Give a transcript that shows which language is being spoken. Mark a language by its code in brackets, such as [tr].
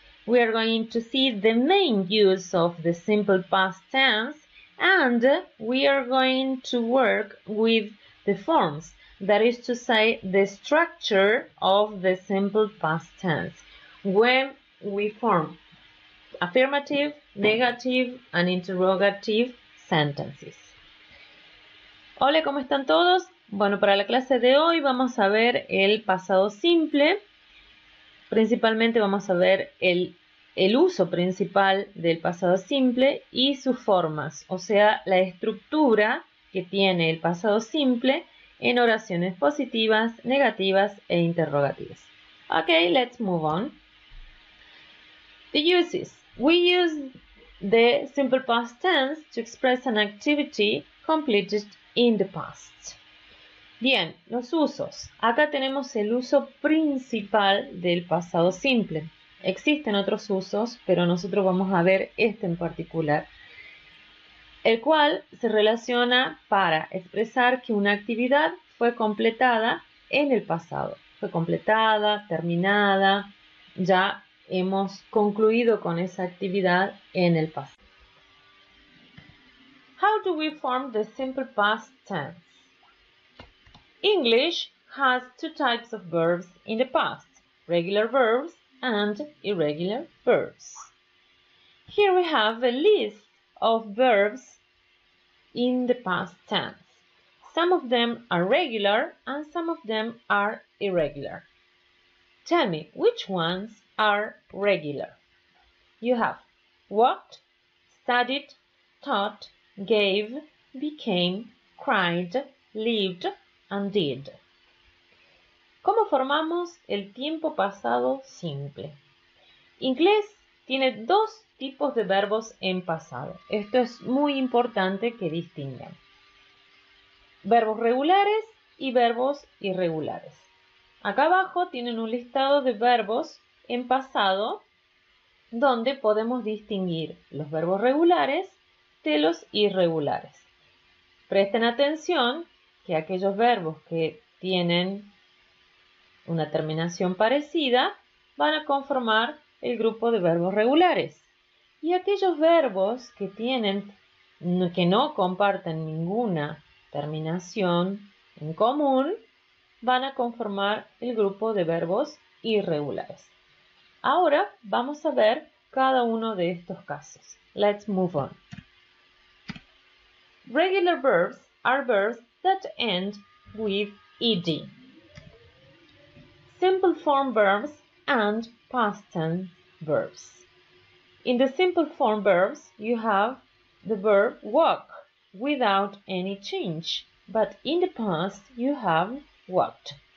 [en] We are going to see the main use of the simple past tense, and we are going to work with the forms, that is to say, the structure of the simple past tense. When we form affirmative, negative, and interrogative sentences. [es] Hola, ¿cómo están todos? Bueno, para la clase de hoy vamos a ver el pasado simple. Principalmente vamos a ver el uso principal del pasado simple y sus formas, o sea, la estructura que tiene el pasado simple en oraciones positivas, negativas e interrogativas. [en] Ok, let's move on. The uses. We use the simple past tense to express an activity completed in the past. [es] Bien, los usos. Acá tenemos el uso principal del pasado simple. Existen otros usos, pero nosotros vamos a ver este en particular, el cual se relaciona para expresar que una actividad fue completada en el pasado. Fue completada, terminada, ya hemos concluido con esa actividad en el pasado. [en] How do we form the simple past tense? English has two types of verbs in the past, regular verbs and irregular verbs. Here we have a list of verbs in the past tense. Some of them are regular and some of them are irregular. Tell me, which ones are regular? You have walked, studied, taught, gave, became, cried, lived, and did. [es] ¿Cómo formamos el tiempo pasado simple? Inglés tiene dos tipos de verbos en pasado. Esto es muy importante que distingan. Verbos regulares y verbos irregulares. Acá abajo tienen un listado de verbos en pasado donde podemos distinguir los verbos regulares de los irregulares. Presten atención que aquellos verbos que tienen una terminación parecida van a conformar el grupo de verbos regulares. Y aquellos verbos que tienen, que no comparten ninguna terminación en común, van a conformar el grupo de verbos irregulares. Ahora vamos a ver cada uno de estos casos. [en] Let's move on. Regular verbs are verbs that end with ed. Simple form verbs and past tense verbs. In the simple form verbs, you have the verb walk without any change, but in the past you have walked.